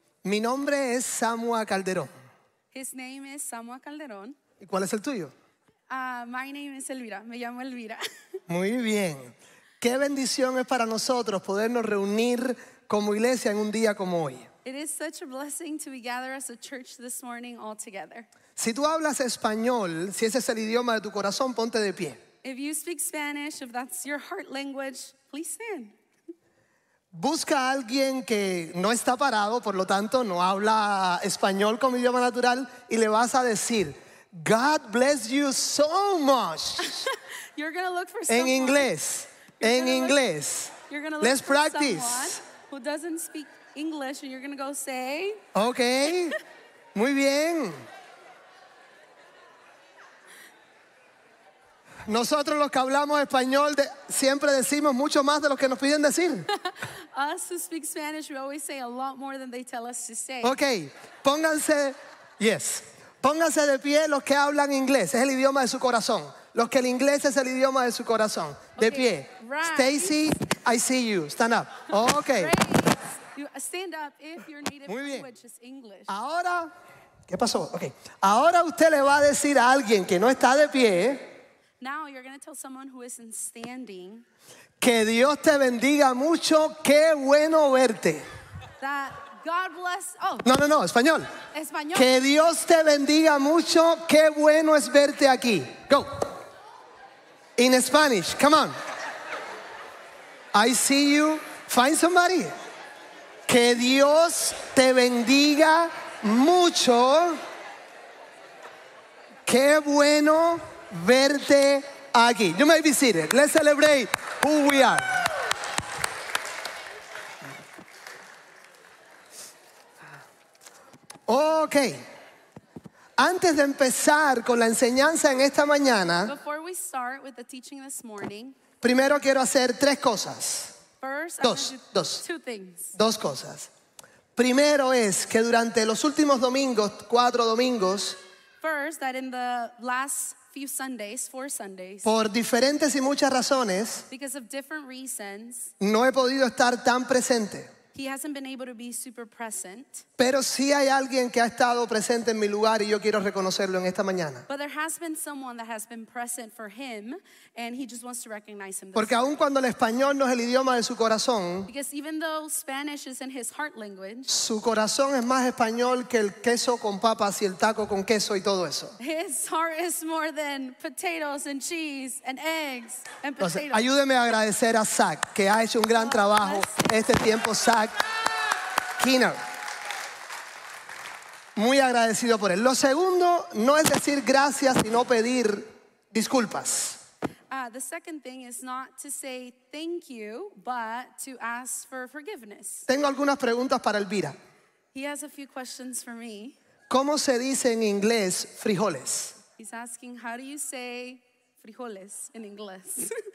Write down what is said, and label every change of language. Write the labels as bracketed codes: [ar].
[es] Mi nombre es Samua Calderón. [en] His name is Samua Calderón. [es] ¿Y cuál es el tuyo? [en] My name is Elvira. [es] Me llamo Elvira. Muy bien. Qué bendición es para nosotros podernos reunir como iglesia en un día como hoy. [en] It is such a blessing to be gathered as a church this morning all together. [es] Si tú hablas español, si ese es el idioma de tu corazón, ponte de pie. [en] If you speak Spanish, if that's your heart language, please stand. [es] Busca a alguien que no está parado, por lo tanto no habla español como idioma natural, y le vas a decir, [en] God bless you so much. You're gonna look for [es] en inglés, en inglés. [en] Let's practice. Who doesn't speak English, and you're gonna go say. [es] Okay, muy bien. Nosotros los que hablamos español siempre decimos mucho más de lo que nos piden decir. [en] Us who speak Spanish, we always say a lot more than they tell us to say. [es] Okay, pónganse, yes. Pónganse de pie los que hablan inglés, es el idioma de su corazón. Los que el inglés es el idioma de su corazón. De okay, pie. [en] Right. Stacy, I see you. Stand up. Okay. Stand up if your native [es] Muy bien. [en] Language is English. [es] Ahora, ¿qué pasó? Okay. Ahora usted le va a decir a alguien que no está de pie. [en] Now you're going to tell someone who isn't standing. [es] Que Dios te bendiga mucho. Qué bueno verte. [en] That God bless. Oh. [es] No. Español. Español. Que Dios te bendiga mucho. Qué bueno es verte aquí. [en] Go. In Spanish. Come on. I see you. Find somebody. [es] Que Dios te bendiga mucho. Qué bueno verte aquí. [en] You may be seated. Let's celebrate who we are. Okay. [es] Antes de empezar con la enseñanza en esta mañana, [en] before we start with the teaching this morning, [es] primero quiero hacer tres cosas. [en] First, dos. Two things. [es] Dos cosas. Primero es que durante los últimos domingos, cuatro domingos, [en] first, that in the last few Sundays, four Sundays, [es] por diferentes y muchas razones, [en] because of different reasons, [es] no he podido estar tan presente. [en] He hasn't been able to be super present. [es] Pero sí hay alguien que ha estado presente en mi lugar y yo quiero reconocerlo en esta mañana. [en] But there has been someone that has been present for him, and he just wants to recognize him. [es] Porque aun cuando el español no es el idioma de su corazón, [en] because even though Spanish is in his heart language, [es] su corazón es más español que el queso con papas y el taco con queso y todo eso. [en] His heart is more than potatoes and cheese and eggs and potatoes. [es] Entonces, ayúdeme a agradecer a Zach, que ha hecho un gran trabajo este tiempo, Zach. Keener. Muy agradecido por él. Lo segundo no es decir gracias sino pedir disculpas. [en] The second thing is not to say thank you but to ask for forgiveness. [es] Tengo algunas preguntas para Elvira. [en] He has a few questions for me. [es] ¿Cómo se dice en inglés frijoles? [en] He's asking how do you say frijoles in English?